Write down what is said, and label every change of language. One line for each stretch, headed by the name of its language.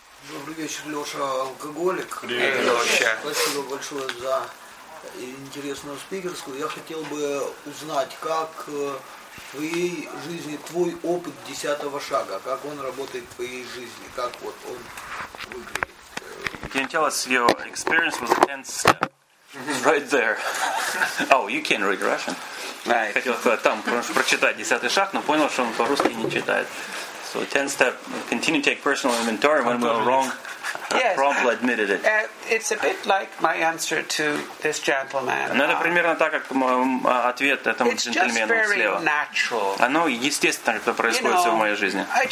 Russian: Добрый вечер, Лёша, алкоголик. Привет, Лёша. Спасибо большое за интересную спикерскую. Я хотел бы узнать, как в твоей жизни твой опыт 10-го шага, как он работает в твоей жизни, как вот он выглядит.
English: Can you tell us your experience with the 10th step? Right there. Oh, you can read Russian. Right.
Russian: Хотел там прочитать 10-й шаг, но понял, что он по-русски не читает.
English: So, 10th step, continue to take personal inventory when we're wrong. Yes. Promptly admitted it. It's a bit like my answer to this gentleman.
Russian: Ну, это примерно так, как мой ответ этому джентльмену слева.
English: It's just very natural.
Russian: Оно естественно, как это происходит в моей жизни.